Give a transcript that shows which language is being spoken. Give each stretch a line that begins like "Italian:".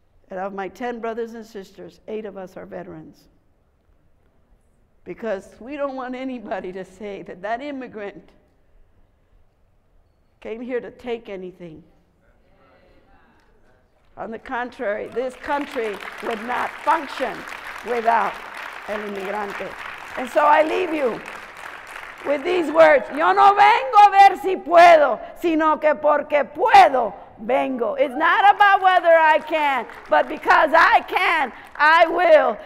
English: And of my 10 brothers and sisters, 8 of us are veterans. because we don't want anybody to say that that immigrant came here to take anything. On the contrary, this country would not function without
Spanish: el inmigrante.
English: And so I leave you with these words.
Spanish: Yo no vengo a ver si puedo, sino que porque puedo, vengo.
English: It's not about whether I can, but because I can, I will.